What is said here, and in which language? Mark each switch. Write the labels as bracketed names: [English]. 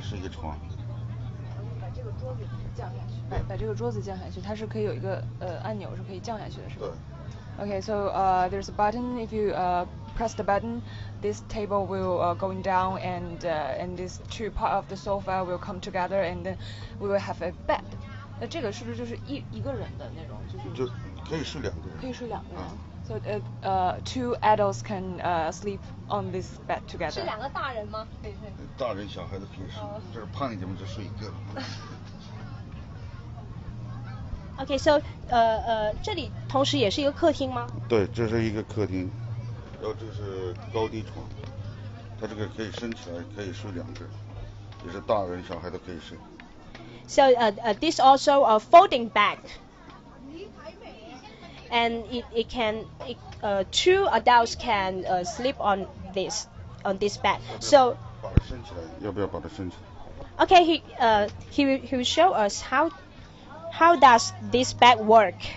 [English] Put this desk down. It's a button, it's a button, it's a button. Okay, so there's a button. If you press the button, this table will go down, and these two parts of the sofa will come together, and then we will have a bed. [Chinese] 那这个是不是就是一个人的那种？就可以睡两个人。 [English] So two adults can sleep on this bed together. [Chinese] 是两个大人吗？对对。大人小孩子可以睡，这是胖一点嘛，就睡一个。 [English] Okay, so [Chinese] 这里同时也是一个客厅吗？对，这是一个客厅，然后这是高低床，它这个可以升起来，可以睡两个，也是大人小孩都可以睡。 [English] So this also a folding bed, and it can two adults can sleep on this bed. [Chinese] 要不要把它升起来？要不要把它升起来 [English] ？Okay, he will show us how. How does this bed work?